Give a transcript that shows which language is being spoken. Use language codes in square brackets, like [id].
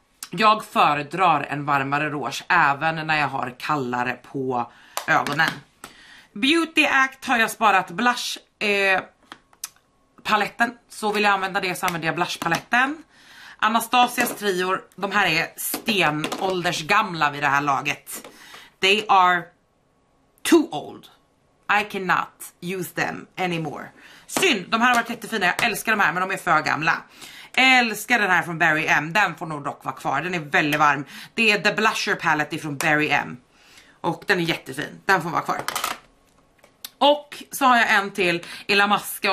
[sv] Jag föredrar en varmare rouge även när jag har kallare på ögonen. Beauty Act har jag sparat blush paletten. Så vill jag använda det så använder jag blush paletten. Anastasias trior, de här är stenålders gamla vid det här laget. [en] They are too old. I cannot use them anymore. [sv] Synd, de här har varit jättefina. Jag älskar de här men de är för gamla. Älskar den här från Barry M. Den får nog dock vara kvar. Den är väldigt varm. Det är The Blusher Palette från Barry M. Och den är jättefin. Den får vara kvar. Och så har jag en till i La Masca.